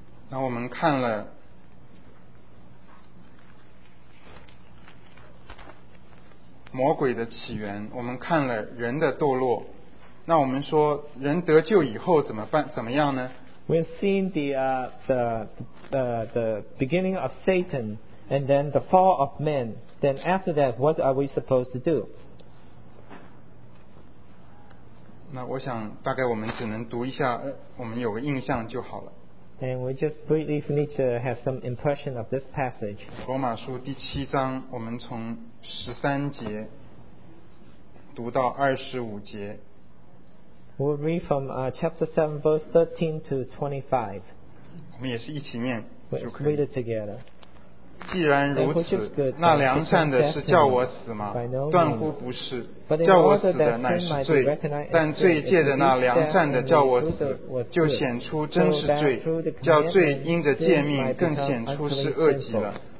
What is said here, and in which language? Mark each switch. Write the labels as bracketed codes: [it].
[zh] 那我们看了魔鬼的起源，我们看了人的堕落。那我们说人得救以后怎么办？怎么样呢？ [en] We've seen the beginning of Satan and then the fall of man. Then after that, what are we supposed to do? [zh] 那我想大概我们只能读一下，我们有个印象就好了。 [en] And we just briefly need to have some impression of this passage. [zh] 罗马书第七章，我们从十三节读到二十五节。 [en] We'll read from chapter 7, verse 13 to 25. [zh] 我们也是一起念就可以。 [en] Let's read it together. [zh] 既然如此，那良善的是叫我死吗？断乎不是。叫我死的乃是罪，但罪借着那良善的叫我死，就显出真是罪，叫罪因着诫命更显出是恶极了。